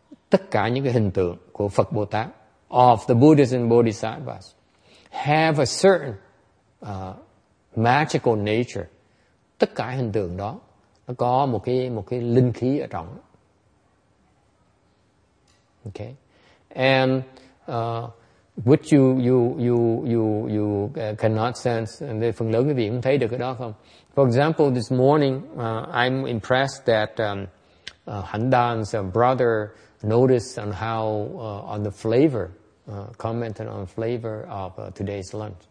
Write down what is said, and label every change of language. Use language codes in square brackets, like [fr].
[vi] Tất cả những cái hình tượng của Phật Bồ Tát, [en] of the Buddhas and Bodhisattvas, have a certain magical nature. [vi] Tất cả hình tượng đó, nó có một cái linh khí ở trong. [en] Okay. And which you cannot sense, and [vi] phần lớn quý vị cũng thấy được cái đó không? [en] For example, this morning, I'm impressed that Han Dan's brother noticed on how on the flavor, commented on flavor of today's lunch.